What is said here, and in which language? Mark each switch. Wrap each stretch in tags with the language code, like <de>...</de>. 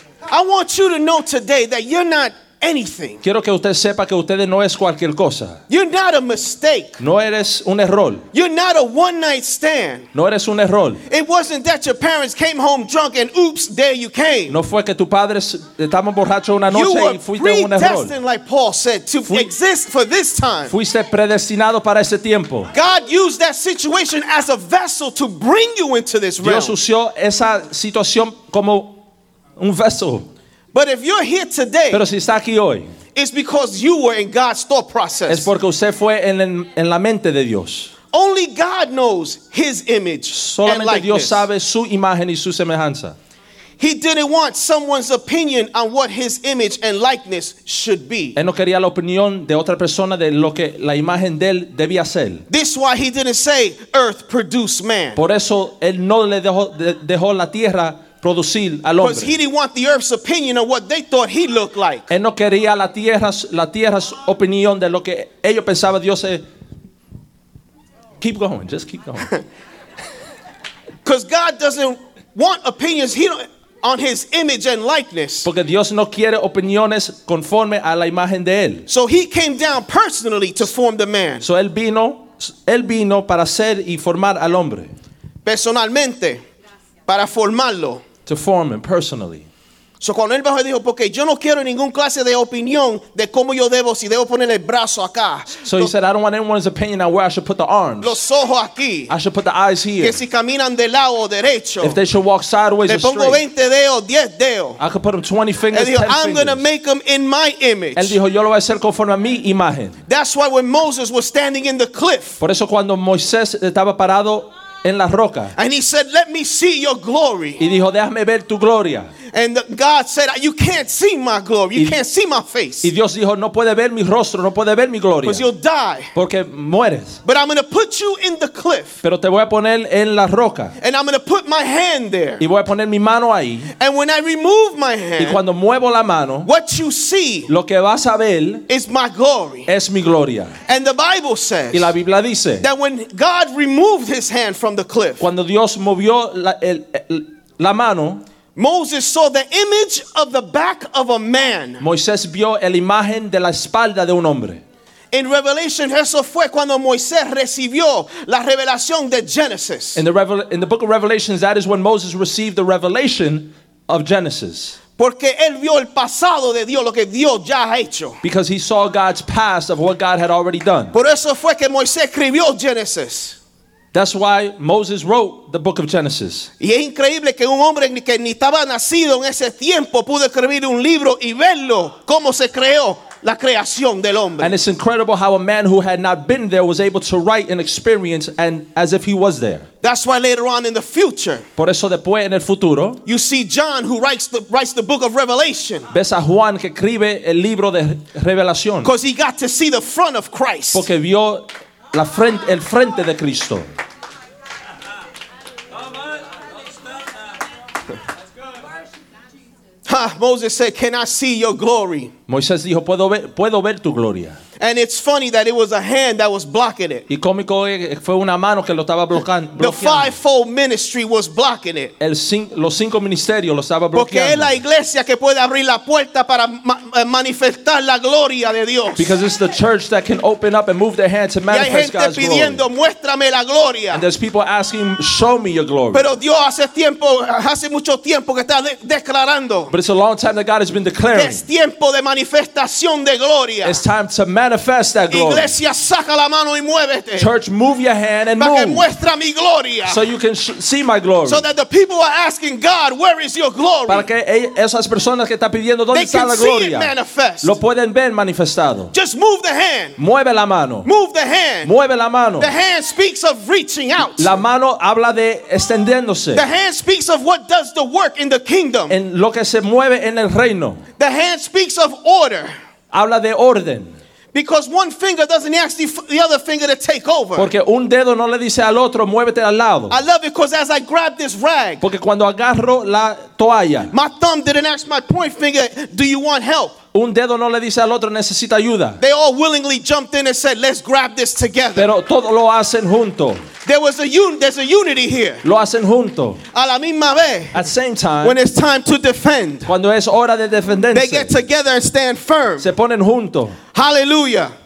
<en>I want you to know today that you're not anything.</en> <es>Quiero que usted sepa que usted no es cualquier cosa.</es> <en>You're not a mistake.</en> <es>No eres un error.</es> <en>You're not a one night stand.</en> <es>No eres un error.</es> <en>It wasn't that your parents came home drunk and oops, there you came.</en> <es>No fue que tus padres estaban borrachos una noche y fuiste un error.</es> <en>You were predestined, like Paul said, to exist for this time.</en> <es>Fuiste predestinado para ese tiempo.</es> <en>God used that situation as a vessel to bring you into this realm.</en> <es>Dios usó esa situación como un vaso.</es> <en>But if you're here today,</en> <es>pero si está aquí hoy,</es> <en>it's because you were in God's thought process.</en> <es>Es porque usted fue en la mente de Dios.</es> <en>Only God knows his image</en> <es>solamente</es> <en>and likeness.</en> <es>Dios sabe su imagen y su semejanza.</es> <en>He didn't want someone's opinion on what his image and likeness should be.</en> <es>Él no quería la opinión de otra persona de lo que la imagen de él debía ser.</es> <en>This is why he didn't say, earth produce man.</en> <es>Por eso él no le dejó la tierra producir al hombre.</es> <en>Because he didn't want the earth's opinion of what they thought he looked like.</en> <es>Él no quería la tierra's opinión de lo que ellos pensaban Dios es.</es> <en>Keep going. Because God doesn't want opinions. He don't. On his image and likeness.</en> <es>Porque Dios no quiere opiniones conforme a la imagen de él.</es> <en>So he came down personally to form the man.</en> <es>So él vino para ser y formar al hombre. Personalmente. Gracias. Para formarlo.</es> <en>To form him personally.</en> <es>So cuando él bajó dijo, porque yo no quiero ningún clase de opinión de cómo yo debo, si debo poner el brazo acá.</es> <en>So he said, I don't want anyone's opinion on where I should put the arms.</en> <es>Los ojos aquí.</es> <en>I should put the eyes here.</en> <es>Que si caminan de lado o derecho.</es> <en>If they should walk sideways</en> <es>le</es> <en>or straight.</en> <es>Le pongo 20 dedos, 10 dedos.</es> <en>I could put them 20 fingers,</en> <es>dijo,</es> <en>10 fingers. I'm going to make them in my image.</en> <es>Él dijo, yo lo voy a hacer conforme a mi imagen.</es> <en>That's why when Moses was standing in the cliff.</en> <es>Por eso cuando Moisés estaba parado en la roca.</es> <en>And he said, let me see your glory.</en> <es>Y dijo, déjame ver tu gloria.</es> <en>And God said, you can't see my glory. You can't see my face.</en> <es>Y Dios dijo, no puede ver mi rostro, no puede ver mi gloria.</es> <en>Because you'll die.</en> <es>Porque mueres.</es> <en>But I'm going to put you in the cliff.</en> <es>Pero te voy a poner en la roca.</es> <en>And I'm going to put my hand there.</en> <es>Y voy a poner mi mano ahí.</es> <en>And when I remove my hand,</en> <es>y cuando muevo la mano,</es> <en>what you see,</en> <es>lo que vas a ver,</es> <en>is my glory.</en> <es>Es mi gloria.</es> <en>And the Bible says,</en> <es>y la Biblia dice,</es> <en>that when God removed his hand from the cliff,</en> <es>cuando Dios movió la mano,</es> <en>Moses saw the image of the back of a man.</en> <es>Moisés vio la imagen de la espalda de un hombre.</es> <en>In Revelation,</en> <es>eso fue cuando Moisés recibió la revelación de Genesis.</es> <en>In the book of Revelations, that is when Moses received the revelation of Genesis.</en> <es>Porque él vio el pasado de Dios, lo que Dios ya ha hecho.</es> <en>Because he saw God's past of what God had already done.</en> <es>Por eso fue que Moisés escribió Genesis.</es> <en>That's why Moses wrote the book of Genesis.</en> <es>Y es increíble que un hombre que ni estaba nacido en ese tiempo pudo escribir un libro y verlo cómo se creó la creación del hombre.</es> <en>And it's incredible how a man who had not been there was able to write an experience and as if he was there. That's why later on in the future.</en> <es>Por eso después en el futuro.</es> <en>You see John who writes the book of Revelation.</en> <es>Ves a Juan que escribe el libro de Revelación.</es> <en>Because he got to see the front of Christ.</en> <es>Porque vio la frente, el frente de Cristo.</es> <en>Moses said, "Can I see your glory?"</en> <es>Moisés dijo, puedo ver tu gloria.</es> <en>And it's funny that it was a hand that was blocking it.</en> <es>Y cómico fue una mano que lo estaba bloqueando.</es> <en>The fivefold ministry was blocking it.</en> <es>Los cinco ministerios lo estaba bloqueando. Porque es la iglesia que puede abrir la puerta para manifestar la gloria de Dios.</es> <en>Because it's the church that can open up and move their hand to manifest God's glory.</en> <es>Y hay gente pidiendo, muéstrame la gloria.</es> <en>And there's people asking, show me your glory.</en> <es>Pero Dios hace mucho tiempo que está declarando.</es> <en>But it's a long time that God has been declaring.</en> <es>Es tiempo de manifestación de gloria.</es> <en>It's time to manifest that glory.</en> <es>Iglesia, saca la mano y muévete.</es> <en>Church, move your hand and</en> <es>para</es> <en>move.</en> <es>Que muestra mi gloria.</es> <en>So you can see my glory. So that the people are asking God, where is your glory?</en> <es>Para que esas personas que están pidiendo, ¿dónde</es> <en>they</en> <es>está</es> <en>can</en> <es>la gloria?</es> <en>See it manifest.</en> <es>Lo pueden ver manifestado.</es> <en>Just move the hand.</en> <es>Mueve la mano.</es> <en>Move the hand.</en> <es>Mueve la mano.</es> <en>The hand speaks of reaching out.</en> <es>La mano habla de extendiéndose.</es> <en>The hand speaks of what does the work in the kingdom.</en> <es>En lo que se mueve en el reino.</es> <en>The hand speaks of order.</en> <es>Habla de orden.</es> <en>Because one finger doesn't ask the other finger to take over.</en> <es>Porque un dedo no le dice al otro, muévete al lado.</es> <en>I love it because as I grab this rag,</en> <es>porque cuando agarro la toalla,</es> <en>my thumb didn't ask my point finger, do you want help?</en> <es>Un dedo no le dice al otro, necesita ayuda.</es> <en>They all willingly jumped in and said, let's grab this together.</en> <es>Pero todos lo hacen junto.</es> <en>There's a unity here.</en> <es>Lo hacen junto. A la misma vez.</es> <en>At the same time. When it's time to defend.</en> <es>Cuando es hora de defenderse.</es> <en>They get together and stand firm.</en> <es>Se ponen junto.</es> <en>Hallelujah.</en>